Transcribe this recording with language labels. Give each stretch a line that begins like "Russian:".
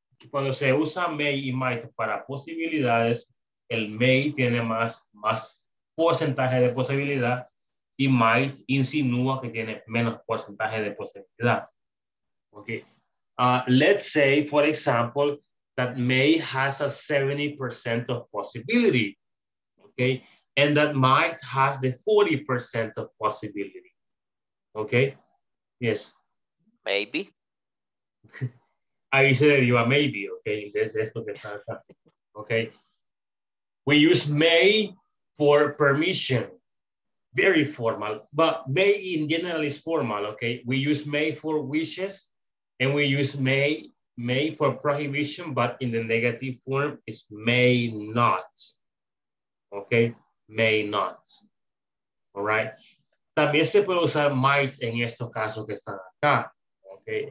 Spanish: Cuando se usa may y might para posibilidades, el may tiene más porcentaje de posibilidad y might insinúa que tiene menos porcentaje de posibilidad.
English: Okay. Let's say, for example, that may has a 70% of possibility. Okay. And that might has the 40% of possibility. Okay. Yes. Maybe.
Spanish: Ahí se deriva maybe, okay, de esto que está acá.
English: Okay. We use may for permission, very formal, but may in general is formal, okay? We use may for wishes and we use may for prohibition, but in the negative form is may not, okay? May not, all right?
Spanish: También se puede usar might en estos casos que están acá, okay?